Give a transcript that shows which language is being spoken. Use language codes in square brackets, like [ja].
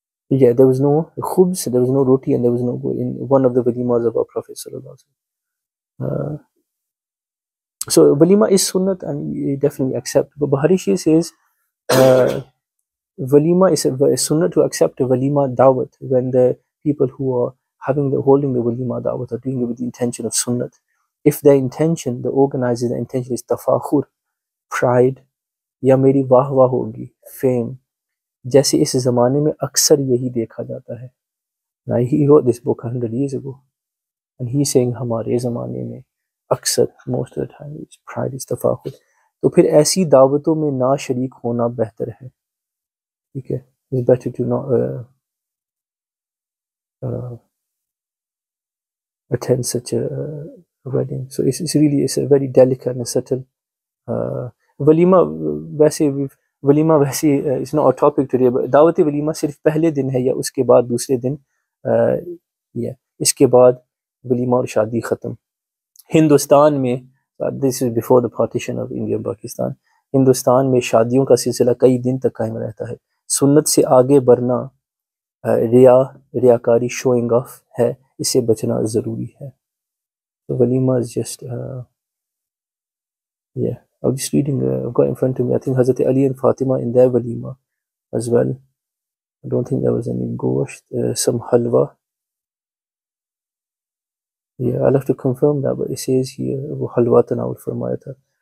[en] There was no khubs, there was no roti, and there was no ghee in one of the walimas of our Prophet sallallahu alaihi wasallam. So walima is sunnat and you definitely accept. But Baharishi says, walima is a sunnah to accept a walima dawat when the people who are holding the walima dawat are doing it with the intention of sunnah. If their intention, the organizer's intention, is [ur] تفاخر, pride, یا میری واہ واہ ہوگی, fame, جیسے اس زمانے میں اکثر یہی دیکھا جاتا ہے۔ [en] Now he wrote this book 100 years ago, and he's saying [ur] hamare zamane mein aksar, [en] most of the time, it's pride, is tafakhur. [ur] تو پھر ایسی دعوتوں میں نہ شریک ہونا بہتر ہے۔ [en] Okay, it's better to not attend such a wedding. So it's really a very delicate and a subtle walima. Walima is not our topic today, but [ur] دعوتِ ولیمہ صرف پہلے دن ہے یا اس کے بعد دوسرے دن، اس کے بعد ولیمہ اور شادی ختم۔ ہندوستان میں, [en] this is before the partition of India and Pakistan, [ur] Hindustan میں شادیوں کا سلسلہ کئی دن تک قائم رہتا ہے۔ سنت سے آگے بڑھنا، ریاکاری, [en] showing off [ur] ہے، اس سے بچنا ضروری ہے۔ [en] So Walima is just, I was just reading, I've got in front of me, I think Hazrat Ali and Fatima in their Walima as well. I don't think there was any gosht, some halwa. Yeah, I'll have to confirm that, but it says here, [ur] halwa tanawul farmayata.